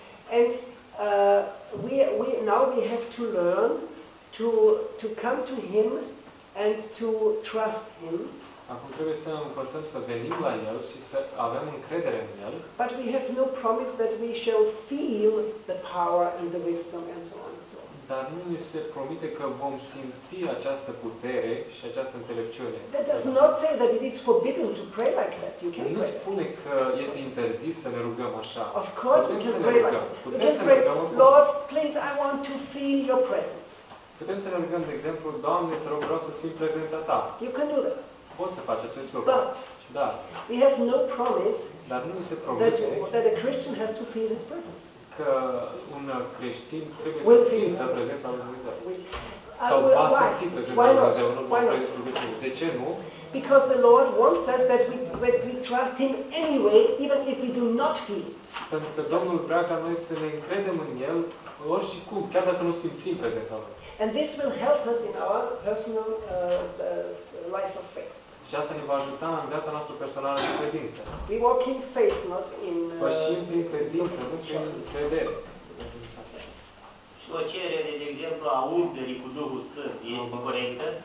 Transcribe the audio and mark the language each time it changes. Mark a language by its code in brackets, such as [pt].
[en] And we have to learn to come to Him and to trust Him. [ro] Acum trebuie să învățăm să venim la El și să avem încredere în El. [en] But we have no promise that we shall feel the power and the wisdom and so on and so on. [ro] Dar nu ni se promite că vom simți această putere și această înțelepciune. [en] That does not say that it is forbidden to pray like that. You can pray. [ro] Nu spune că este interzis să ne rugăm așa. [en] Of course, [ro] putem [en] we can [ro] să [en] pray. [ro] Ne rugăm. [en] Like, [ro] să [en] pray. [ro] Ne rugăm. [en] Lord, please, I want to feel Your presence. [ro] Putem să ne rugăm, de exemplu, Doamne, te rog, vreau să simt prezența Ta. [en] You can do that. [ro] Poți să faci acest lucru. [en] But [ro] da. [en] We have no promise. [ro] Dar nu se promite [en] that a Christian has to feel His presence. [ro] Că un creștin trebuie [en] we'll [ro] să simtă prezența lui Dumnezeu. Sau va simți prezența lui Dumnezeu, nu va prezența lui. De ce nu? [en] Because the Lord wants us that we trust Him anyway, even if we do not feel. [ro] Pentru că Domnul vrea ca noi să ne încredem în El, orice cum, chiar dacă nu simțim prezența Lui. [en] And this will help us in our personal life of faith. [ro] Și asta ne va ajuta în viața noastră personală de credință. [en] We walk in faith, not in. [ro] Pășim prin credință, nu prin vedere. Și o cerere, de exemplu, a umplerii cu Duhul Sfânt este corectă?